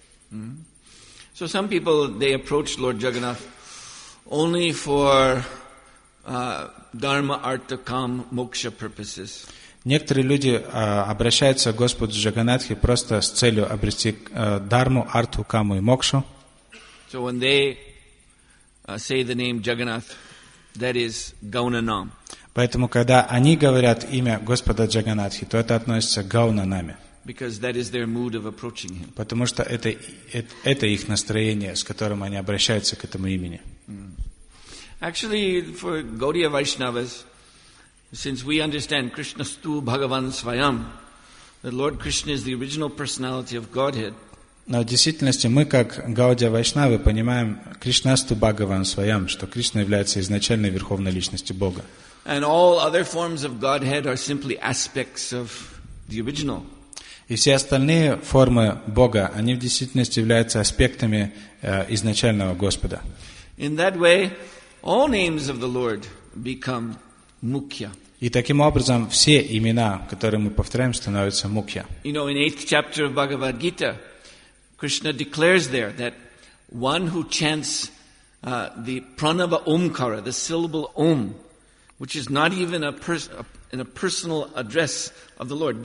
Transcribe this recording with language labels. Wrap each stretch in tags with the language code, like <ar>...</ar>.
<en>Mm-hmm. So some people, they approach Lord Jagannath only for dharma, artha, kam, moksha purposes.</en> <ru>Некоторые люди обращаются к Господу Джаганатхе просто с целью обрести дарму, арту, каму и мокшу.</ru> <en>So when they say the name Jagannath, that is Gaunanam.</en> <ru>Поэтому, когда они говорят имя Господа Джаганатхи, то это относится к Гаунанаме.</ru> <en>Because that is their mood of approaching him.</en> <ru>Потому что это их настроение, с которым они обращаются к этому имени.</ru> <en>Actually, for Gaudiya Vaishnavas, since we understand Krishna stu Bhagavan Svayam, that Lord Krishna is the original personality of Godhead.</en> <ru>Но в действительности мы, как Гаудия Вайшнавы, понимаем Кришнасту Бхагаван Свайам, что Кришна является изначальной верховной личностью Бога.</ru> <en>And all other forms of Godhead are simply aspects of the original.</en> <ru>И все остальные формы Бога, они в действительности являются аспектами изначального Господа.</ru> <en>In that way, all names of the Lord become mukhya.</en> <ru>И таким образом все имена, которые мы повторяем, становятся мукья.</ru> <en>You know, in 8th chapter of Bhagavad Gita, Krishna declares there that one who chants the pranava omkara, the syllable om, which is not even a personal address of the Lord.</en>